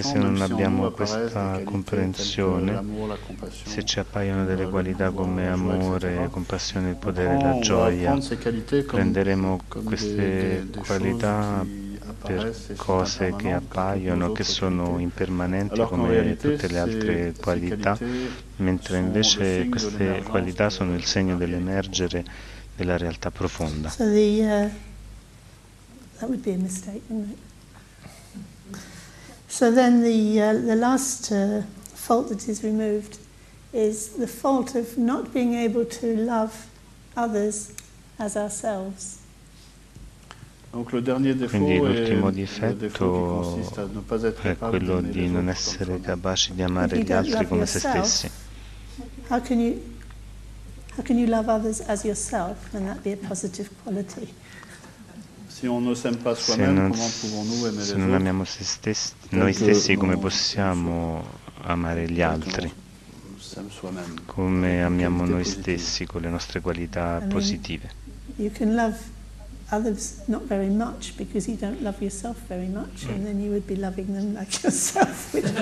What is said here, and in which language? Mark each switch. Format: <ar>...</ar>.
<it>anche se non abbiamo questa comprensione, se ci appaiono delle qualità come amore, compassione, il potere, la gioia, prenderemo queste qualità per cose che appaiono, che sono impermanenti come tutte le altre qualità, mentre invece queste qualità sono il segno dell'emergere della realtà profonda.</it> <en>So the that would be a mistake, wouldn't it? So then the last fault that is removed is the fault of not being able to love others as ourselves.</en> <fr>Donc le dernier défaut,</fr> <it>quindi l'ultimo difetto è quello di non essere capaci di amare gli altri come se stessi.</it> <en>How can you love others as yourself? Can that be a positive quality?</en> <fr>Si on ne s'aime pas soi-même, comment pouvons-nous aimer les autres?</fr> <it>Se non amiamo se stessi, noi stessi, come possiamo amare gli altri? Come amiamo noi stessi con le nostre qualità positive?</it> <en>You can love others not very much because you don't love yourself very much, and then you would be loving them like yourself.</en>